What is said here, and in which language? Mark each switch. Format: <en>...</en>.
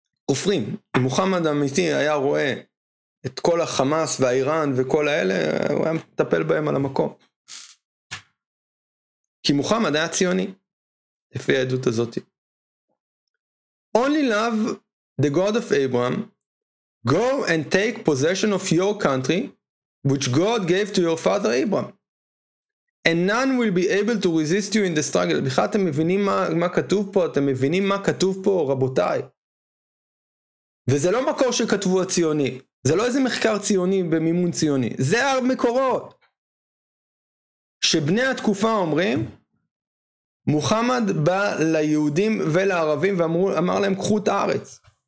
<he>כופרים. אם מוחמד אמיתי היה רואה את כל החמאס והאיראן וכל האלה, הוא היה מטפל בהם על המקום. כי מוחמד היה ציוני, לפי העדות הזאת.</he> <en>Only love the God of Abraham, go and take possession of your country, which God gave to your father Abraham. And none will be able to resist you in the struggle.</en> <he>בכלל אתם מבינים מה כתוב פה, אתם מבינים מה כתוב פה, רבותיי. וזה לא מקור שכתבו הציוני. זה לא איזה מחקר ציוני במימון ציוני. זה המקורות. שבני התקופה אומרים, מוחמד בא ליהודים ולערבים ואמר להם, קחו את הארץ.</he>